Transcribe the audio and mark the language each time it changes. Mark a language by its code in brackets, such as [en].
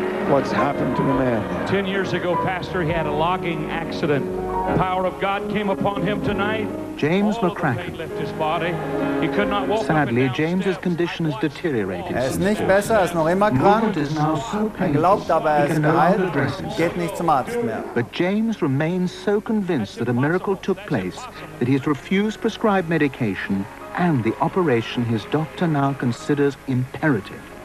[en] What's happened to the man? 10 years ago, Pastor, he had a logging accident. The power of God came upon him tonight. James McCracken. Left his body. He could not walk. Sadly, James' condition has deteriorated. [de] Er ist nicht besser, er ist noch immer krank. Er glaubt aber, er ist geheilt. Geht nicht zum Arzt mehr. [en] But James remains so convinced that a miracle took place that he has refused prescribed medication and the operation his doctor now considers imperative.